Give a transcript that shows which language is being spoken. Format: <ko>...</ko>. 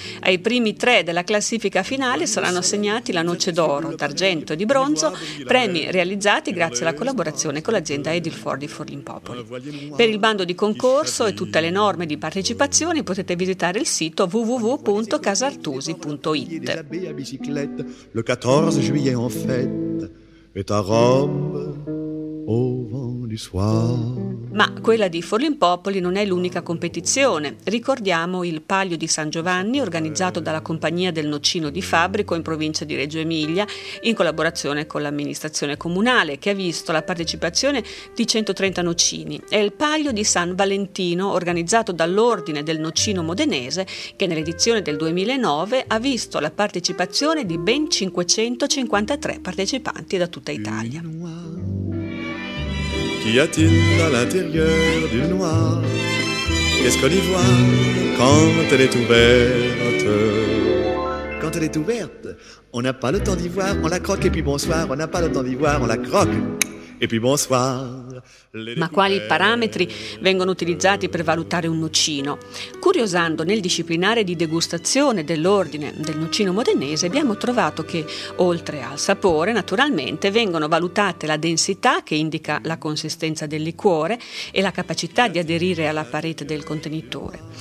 <it>Ai primi 3 della classifica finale saranno assegnati la noce d'oro, d'argento e di bronzo, premi realizzati grazie alla collaborazione con l'azienda Edilfor di Forlimpopoli. Per il bando di concorso e tutte le norme di partecipazione potete visitare il sito www.casartusi.it.</it> <fr>Le 14 juillet en fête est à Rome au vent du soir.</fr> <it>Ma quella di Forlimpopoli non è l'unica competizione. Ricordiamo il Palio di San Giovanni, organizzato dalla Compagnia del Nocino di Fabrico in provincia di Reggio Emilia, in collaborazione con l'amministrazione comunale, che ha visto la partecipazione di 130 nocini. È il Palio di San Valentino, organizzato dall'Ordine del Nocino Modenese, che nell'edizione del 2009 ha visto la partecipazione di ben 553 partecipanti da tutta Italia.</it> <fr>Y a-t-il à l'intérieur d'une noix? Qu'est-ce qu'on y voit quand elle est ouverte? Quand elle est ouverte, on n'a pas le temps d'y voir, on la croque et puis bonsoir, on n'a pas le temps d'y voir, on la croque et puis bonsoir.</fr> <it>Ma quali parametri vengono utilizzati per valutare un nocino? Curiosando nel disciplinare di degustazione dell'ordine del nocino modenese, abbiamo trovato che, oltre al sapore, naturalmente, vengono valutate la densità, che indica la consistenza del liquore, e la capacità di aderire alla parete del contenitore.</it>